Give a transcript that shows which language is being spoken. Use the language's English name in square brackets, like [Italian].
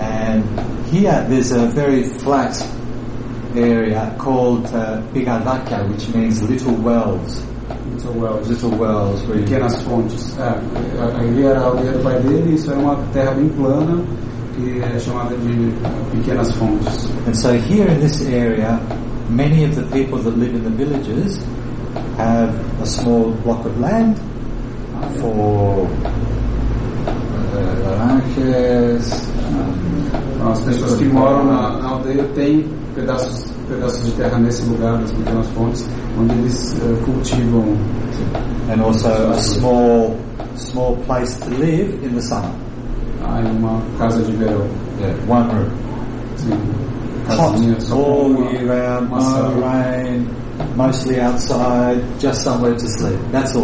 [English] And here there's a very flat area called Pigadakia, which means little wells. Little wells. [Portuguese] Pequenas fontes. Ali era o pai dele, isso era uma terra bem plana. [English] And so here in this area, many of the people that live in the villages have a small block of land for [Portuguese] laranjas. As pessoas que moram na aldeia têm pedaços de terra nesse lugar, nas pequenas fontes, onde eles cultivam. [English] And also a small place to live in the summer. [Portuguese] Ah, uma casa de verão. [English] Yeah, one room. [Portuguese] Sim. [English] Hot, all year round, no rain, mostly outside, just somewhere to sleep. That's all.